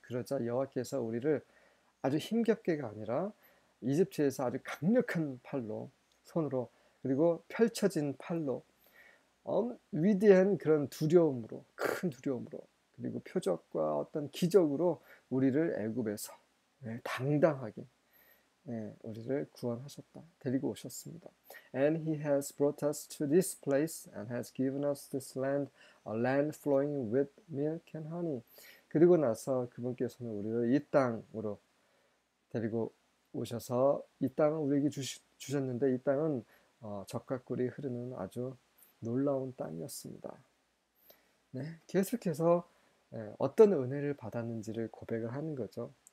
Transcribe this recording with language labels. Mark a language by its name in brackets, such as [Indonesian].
[Korean] 그러자 여호와께서 우리를 아주 힘겹게가 아니라 이집트에서 아주 강력한 팔로, 손으로, 그리고 펼쳐진 팔로, 위대한 그런 두려움으로, 큰 두려움으로, 그리고 표적과 어떤 기적으로 우리를 애굽에서 당당하게 우리를 구원하셨다. 데리고 오셨습니다. [English] And he has brought us to this place and has given us this land, a land flowing with milk and honey. [Korean] 그리고 나서 그분께서는 우리를 이 땅으로 데리고 오셔서 이 땅을 우리에게 주셨는데 이 땅은 적과 꿀이 흐르는 아주 놀라운 땅이었습니다. 네, 계속해서 어떤 은혜를 받았는지를 고백을 하는 거죠.